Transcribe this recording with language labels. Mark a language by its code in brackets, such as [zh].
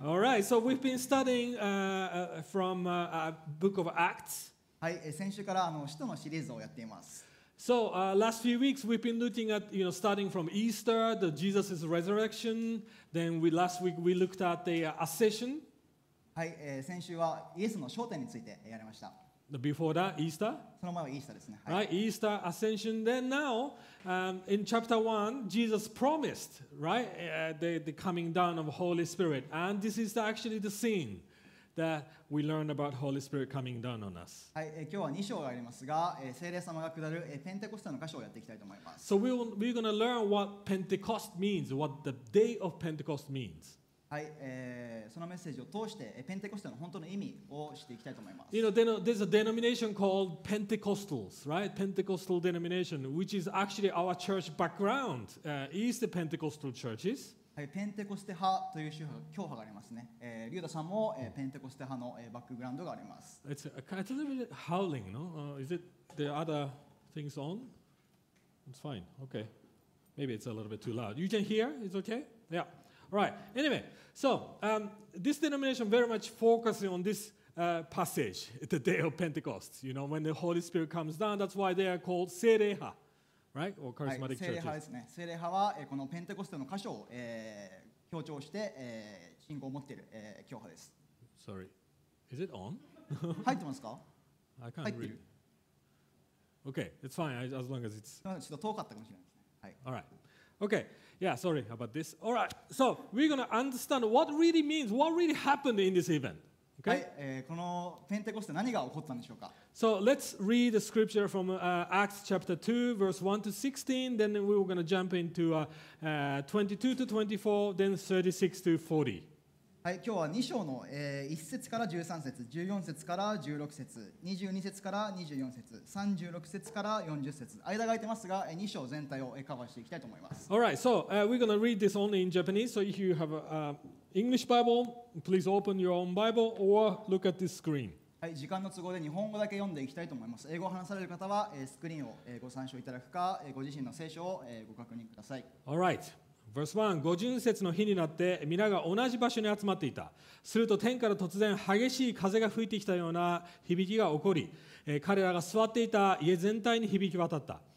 [en] Okay, so we've been studying from a book of Acts. [ja] はい、先週からあの使徒のシリーズをやっています。 [en] So, last few weeks we've been looking at, you know, starting from Easter, the Jesus' resurrection, then last week we looked at the Ascension. [ja] はい、先週はイエスの昇天についてやりました。 [en] Before that, Easter. [ja] その前はイースターですね。 [en] Right, Easter, Ascension. Then now, in chapter 1, Jesus promised, right, the coming down of Holy Spirit. And this is actually the scene that we learn about Holy Spirit coming down on us. [ja] はい、今日は2章がありますが、聖霊様が下るペンテコステの箇所をやっていきたいと思います。 [en] So we're going to learn what Pentecost means, what the day of Pentecost means. [ja] はい、そのメッセージを通してペンテコステの本当の意味を知っていきたいと思います。 [en] You know, there's a denomination called Pentecostals, right? Pentecostal denomination, which is actually our church background, is the Pentecostal churches. [ja] はい、ペンテコステ派という宗派、教派がありますね。リュウダさんも、ペンテコステ派の、バックグラウンドがあります。 [en] It's a little bit howling, no? Is it the other things on? It's fine. Okay. Maybe it's a little bit too loud. You can hear? It's okay? Yeah. Right. Anyway, so this denomination very much focuses on this passage, the day of Pentecost. You know, when the Holy Spirit comes down, that's why they are called 聖霊派, right? Or charismatic churches. [ja] 聖霊派ですね。聖霊派はこのペンテコステの箇所を強調して信仰を持っている教派です。 [en] Sorry. Is it on? [ja] 入ってますか? [en] I can't read. Okay, it's fine as long as it's... [ja] ちょっと遠かったかもしれないですね。はい。 [en] All right. Okay, yeah, sorry about this. All right, so we're going to understand what really means, what really happened in this event. Okay? [ja] このペンテコステ何が起こったんでしょうか? [en] So let's read the scripture from Acts chapter 2, verse 1 to 16, then we're going to jump into 22 to 24, then 36 to 40. [ja] はい、今日は2章の、1節から13節、14節から16節、22節から24節、36節から40節、間が空いてますが、2章全体を、カバーしていきたいと思います。 [en] All right, so we're going to read this only in Japanese, so if you have an English Bible, please open your own Bible or look at this screen. [ja] はい、時間の都合で日本語だけ読んでいきたいと思います。英語を話される方は、スクリーンを、ご参照いただくか、ご自身の聖書を、ご確認ください。 [en] All right. Verse 1, [ja] 五旬節の日になって皆が同じ場所に集まっていた。すると天から突然激しい風が吹いてきたような響きが起こり、彼らが座っていた家全体に響き渡った。